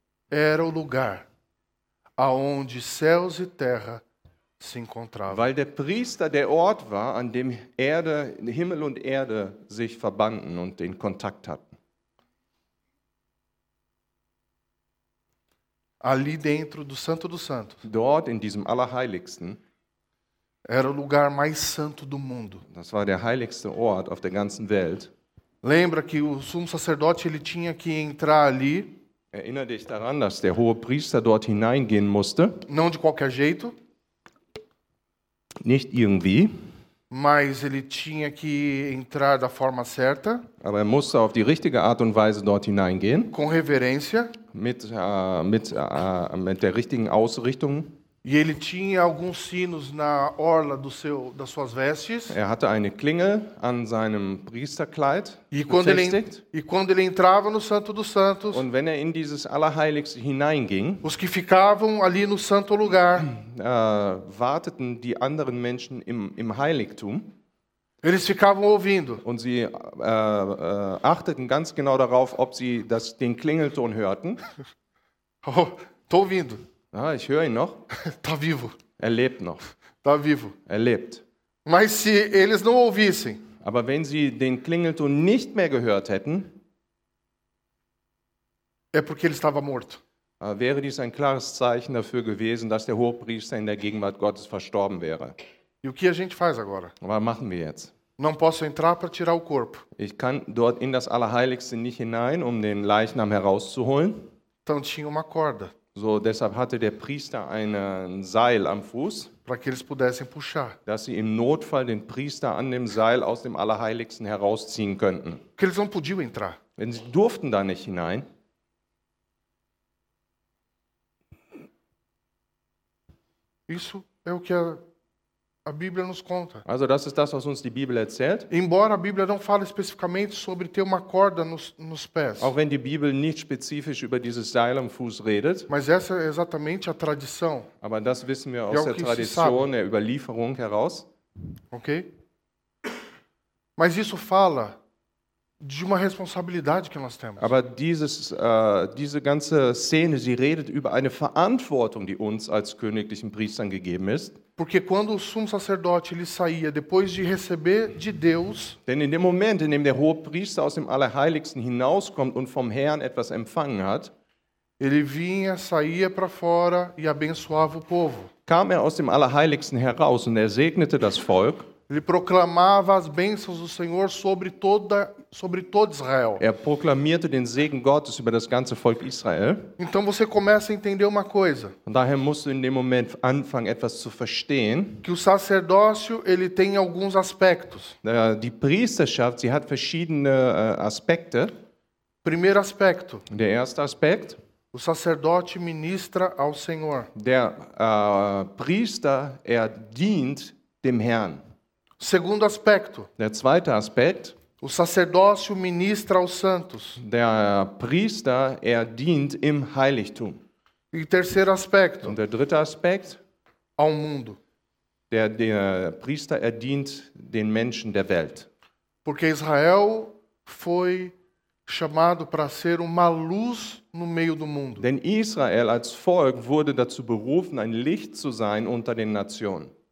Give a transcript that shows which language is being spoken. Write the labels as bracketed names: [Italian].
[Portuguese] era o lugar aonde céus e terra se encontrava. [German] Weil der Priester der Ort war, an dem Erde, Himmel und Erde sich verbanden und den Kontakt hatten. [Portuguese] Ali dentro do Santo dos Santos. [German] Dort in diesem Allerheiligsten. [Portuguese] Era o lugar mais santo do mundo. [German] Das war der heiligste Ort auf der ganzen Welt. [Portuguese] Lembra que o sumo sacerdote ele tinha que entrar ali? [German] Erinnere dich daran, dass der hohe Priester dort hineingehen musste. [Portuguese] Não de qualquer jeito. [German] Nicht irgendwie, [Portuguese] mas ele tinha que entrar da forma certa, [German] aber er musste auf die richtige Art und Weise dort hineingehen, [Portuguese] com reverência, [German] mit der richtigen Ausrichtung. [Portuguese] E ele tinha alguns sinos na orla do seu, das suas vestes. [German] Er hatte eine Klinge an seinem Priesterkleid befestigt. [Portuguese] E quando ele entrava no Santo dos Santos, [German] und wenn er in dieses Allerheiligste hineinging, [Portuguese] os que ficavam ali no santo lugar, [German] warteten die anderen Menschen im Heiligtum. [Portuguese] Eles ficavam ouvindo. [German] Und sie achteten ganz genau darauf, ob sie den Klingelton hörten. [Portuguese] Oh, tô ouvindo. [German] Ah, ich höre ihn noch. [Portuguese] Tá vivo. [German] Er lebt noch. [Portuguese] Tá vivo. [German] Er lebt. [Portuguese] Mas se eles não ouvissem. [German] Aber wenn sie den Klingelton nicht mehr gehört hätten, [Portuguese] é porque ele estava morto. [German] Wäre dies ein klares Zeichen dafür gewesen, dass der Hochpriester in der Gegenwart Gottes verstorben wäre. [Portuguese] E o que a gente faz agora? [German] Was machen wir jetzt? [Portuguese] Não posso entrar para tirar o corpo. [German] Ich kann dort in das Allerheiligste nicht hinein, den Leichnam herauszuholen. [Portuguese] Então tinha uma corda. [German] So, deshalb hatte der Priester ein Seil am Fuß, [Portuguese] para que eles pudessem puxar, [German] dass sie im Notfall den Priester an dem Seil aus dem Allerheiligsten herausziehen könnten. [Portuguese] Que eles não podiam entrar. [German] Denn sie durften da nicht hinein. [Portuguese] Isso é o que a Bíblia nos conta. [German] Also das ist das, was uns die Bibel erzählt. [Portuguese] Embora a Bíblia não fale especificamente sobre ter uma corda nos pés. [German] Auch wenn die Bibel nicht spezifisch über dieses Seil am Fuß redet. [Portuguese] Mas essa é exatamente a tradição. [German] Aber das wissen wir aus der Tradition, der Überlieferung heraus. Okay. [Portuguese] Mas isso fala de uma responsabilidade que nós temos. [German] Aber diese ganze Szene, sie redet über eine Verantwortung, die uns als königlichen Priestern gegeben ist. [Portuguese] Porque quando o sumo sacerdote ele saía depois de receber de Deus, [German] denn in dem Moment, in dem der hohe Priester aus dem Allerheiligsten hinauskommt und vom Herrn etwas empfangen hat, [Portuguese] ele vinha, saía para fora e abençoava o povo. [German] Kam aus dem Allerheiligsten heraus und er segnete das Volk. [Portuguese] Ele proclamava as bênçãos do Senhor sobre todo Israel. [German] Er proklamierte den Segen Gottes über das ganze Volk Israel. [Portuguese] Então você começa a entender uma coisa. [German] Und daher musst du in dem Moment anfangen, etwas zu verstehen. [Portuguese] Que o sacerdócio ele tem alguns aspectos. [German] Die Priesterschaft, sie hat verschiedene Aspekte. [Portuguese] Primeiro aspecto. [German] Der erste Aspekt. [Portuguese] O sacerdote ministra ao Senhor. [German] Der Priester, er dient dem Herrn. [Portuguese] Segundo aspecto. [German] Der zweite Aspekt. [Portuguese] O sacerdócio ministra aos santos. [German] Der Priester, er dient im Heiligtum. [Portuguese] E terceiro aspecto. [German] Und der dritte Aspekt. [Portuguese] Ao mundo. [German] Der Priester, er dient den Menschen der Welt. [Portuguese] Porque Israel foi chamado para ser uma luz no meio do mundo. [German] Denn Israel als Volk wurde dazu berufen, ein Licht zu sein unter den Nationen.